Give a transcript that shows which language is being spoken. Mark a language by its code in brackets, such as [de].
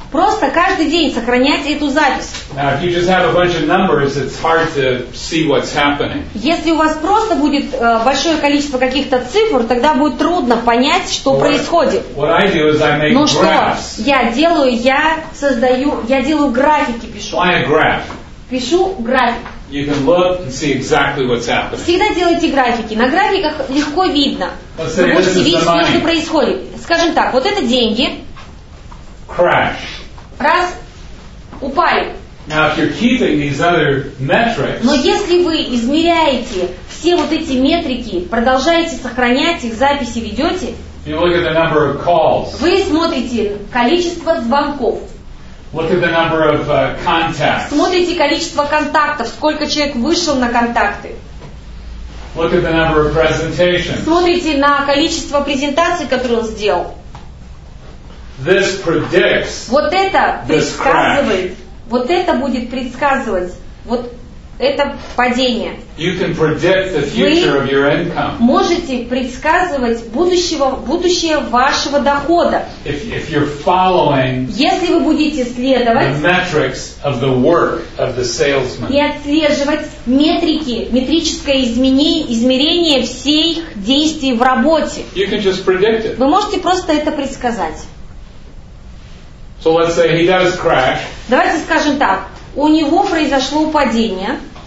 [ru] Просто каждый день сохранять эту запись. Если у вас просто будет большое количество каких-то цифр, тогда будет трудно понять, что происходит. Но что я делаю, я делаю графики, пишу. [en] Why a graph? [ru] Пишу график. [en] You can look and see exactly what's happening. [ru] Всегда делайте графики. На графиках легко видно. Вы можете видеть, что происходит. Скажем так, вот это деньги. [en] Crash. [ru] Раз, упали. [en] Now, if you're keeping these other metrics, [ru] но если вы измеряете все вот эти метрики, продолжаете сохранять их, записи ведете, [en] you look at the number of calls. [ru] Вы смотрите количество звонков. [en] Look at the number of contacts. [ru] Смотрите количество контактов, сколько человек вышел на контакты. [en] Look at the number of presentations. [ru] Смотрите на количество презентаций, которые он сделал. [en] This predicts. [ru] Вот это предсказывает. Вот это будет предсказывать. Вот это падение. [en] You can predict the future of your income. [ru] Можете предсказывать будущее вашего дохода. [en] If you're following. [ru] Если вы будете следовать. [en] The metrics of the work of the salesman. [ru] И отслеживать метрическое измерение всех действий в работе. [en] You can just predict it. [ru] Вы можете просто это предсказать. So let's say he does crash. Давайте скажем так. У него произошло падение.